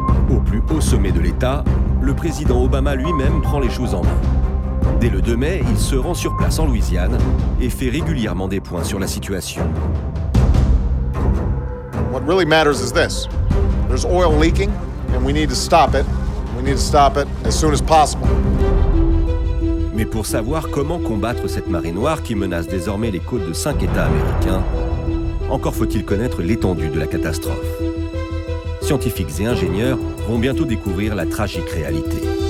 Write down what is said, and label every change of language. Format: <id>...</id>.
<fr>Au plus haut sommet de l'État, le président Obama lui-même prend les choses en main. Dès le 2 mai, il se rend sur place en Louisiane et fait régulièrement des points sur la situation.</fr> <en>What really matters is this. There's oil leaking and we need to stop it. We need to stop it as soon as possible.</en> <fr>Mais pour savoir comment combattre cette marée noire qui menace désormais les côtes de 5 États américains, encore faut-il connaître l'étendue de la catastrophe. Scientifiques et ingénieurs vont bientôt découvrir la tragique réalité.</fr>